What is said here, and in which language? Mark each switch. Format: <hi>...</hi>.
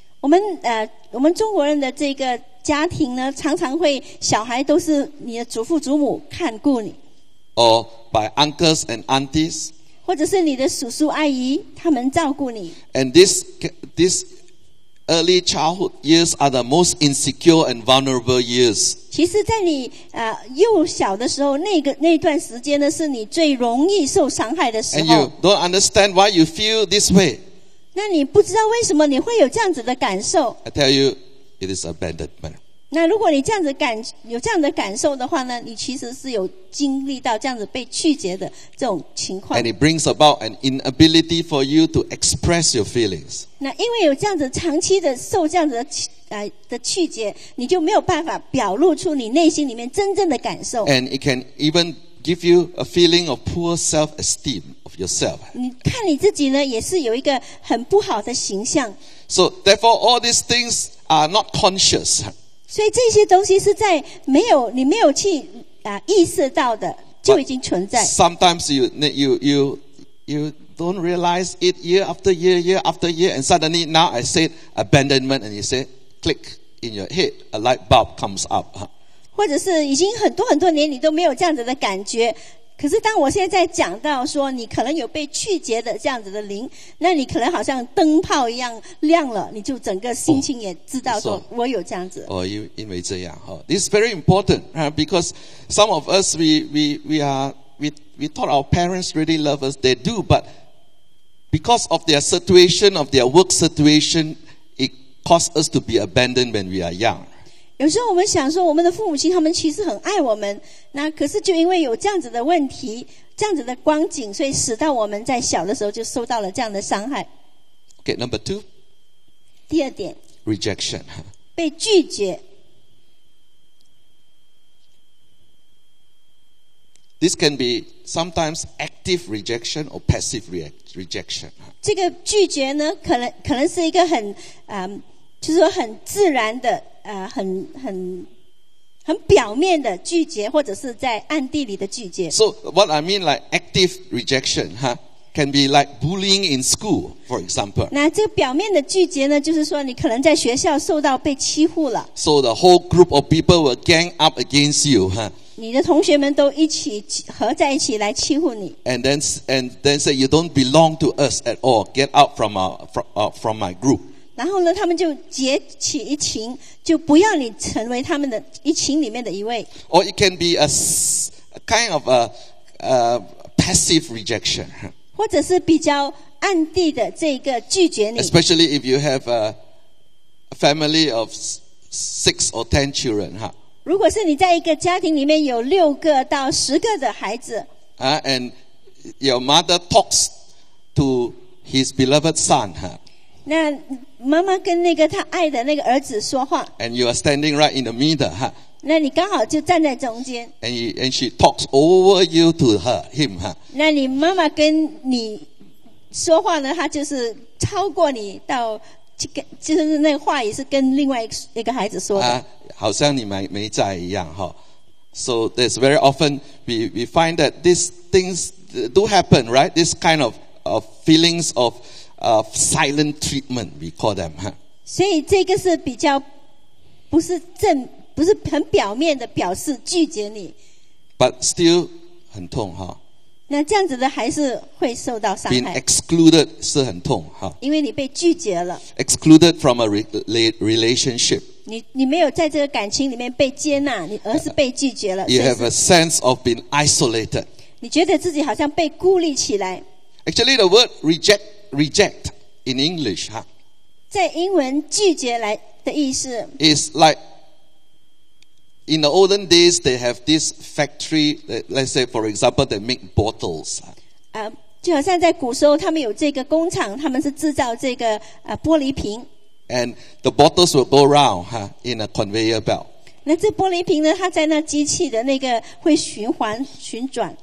<zh>我们中国人的这个家庭呢，常常会小孩都是你的祖父祖母看顾你。</zh> <en>Or by uncles and aunties,</en> <zh>或者是你的叔叔阿姨，他们照顾你。</zh> <en>And this early childhood years are the most insecure and vulnerable years.</en> <zh>其实，在你幼小的时候，那段时间呢，是你最容易受伤害的时候。</zh> <en>And you don't understand why you feel this way.</en> <zh>那你不知道为什么你会有这样子的感受。</zh> <en>I tell you, it is abandonment.</en> <zh>那如果你这样子有这样的感受的话呢，你其实是有经历到这样子被拒绝的这种情况。</zh> <en>And it brings about an inability for you to express your feelings.</en> <zh>那因为有这样子长期的受这样子的拒绝，你就没有办法表露出你内心里面真正的感受。</zh> <en>And it can even give you a feeling of poor self-esteem of yourself.</en> <zh>你看你自己呢，也是有一个很不好的形象。</zh> <en>So therefore, all these things are not conscious.</en> <zh>所以这些东西是在你没有去意识到的，就已经存在。</zh> <en>But、sometimes you don't realize it year after year, and suddenly now I say abandonment, and you say click in your head, a light bulb comes up.</en> <zh>或者是已经很多很多年你都没有这样子的感觉，可是当我现在讲到说你可能有被拒绝的这样子的灵，那你可能好像灯泡一样亮了，你就整个心情也知道说我有这样子。</zh> <en>哦，因为这样哈，this is very important, because some of us we thought our parents really love us, they do, but because of their situation, of their work situation, it caused us to be abandoned when we are young.</en> <zh>有时候我们想说我们的父母亲他们其实很爱我们，那可是就因为有这样子的问题，这样子的光景，所以使到我们在小的时候就受到了这样的伤害。</zh> <en>Okay, number two.</en> <zh>第二点。</zh> <en>Rejection.</en> <zh>被拒绝。</zh> <en>This can be sometimes active rejection or passive rejection.</en> <zh>这个拒绝呢，可能是一个很就是说很自然的很表面的拒绝，或者是在暗地里的拒绝。</zh> <en>So what I mean like active rejection, huh, can be like bullying in school, for example.</en> <zh>那这个表面的拒绝呢，就是说你可能在学校受到被欺负了。</zh> <en>So the whole group of people will gang up against you, huh.</en> <zh>你的同学们都一起合在一起来欺负你。</zh> <en>And then say you don't belong to us at all. Get out from my group.</en> <zh>然后呢，他们就结起一群，就不要你成为他们的一群里面的一位。</zh> <en>Or it can be a kind of a passive rejection.</en> <zh>或者是比较暗地的这个拒绝你。</zh> <en>Especially if you have a family of 6 or 10 children, huh?</en> <zh>如果是你在一个家庭里面有6个到10个的孩子、</zh> <en>and your mother talks to his beloved son、huh?</en> <zh>那妈妈跟那个他爱的那个儿子说话</zh> <en>and you are standing right in the middle、huh?</en> <zh>那你刚好就站在中间</zh> <en>and she talks over you to her, him、huh?</en> <zh>那你妈妈跟你说话呢她就是超过你到就是那个话也是跟另外一个孩子说的、</zh> <en>好像你没在一样、哦、 So there's very often we find that these things do happen, right? This kind of feelings of silent treatment, we call them.</en> <zh>所以这个是比较不是很表面的表示拒绝你 But still 很痛、哦、那这样子的还是会受到伤害 Being excluded 是很痛、哦、因为你被拒绝了</zh> <en>Excluded from a relationship</en> <zh>你没有在这个感情里面被接纳，你而是被拒绝了。</zh> <en>You have a sense of being isolated.</en> <zh>你觉得自己好像被孤立起来。</zh> <en>Actually, the word reject in English, huh?</en> <zh>在英文拒绝来的意思。</zh> <en>Is like in the olden days, they have this factory. Let's say, for example, they make bottles.</en> <zh>就好像在古时候，他们有这个工厂，他们是制造这个玻璃瓶。</zh> <en>And the bottles will go round, huh, in a conveyor belt.</en> <zh>那这玻璃瓶呢？它在那机器的那个会循环旋转。</zh>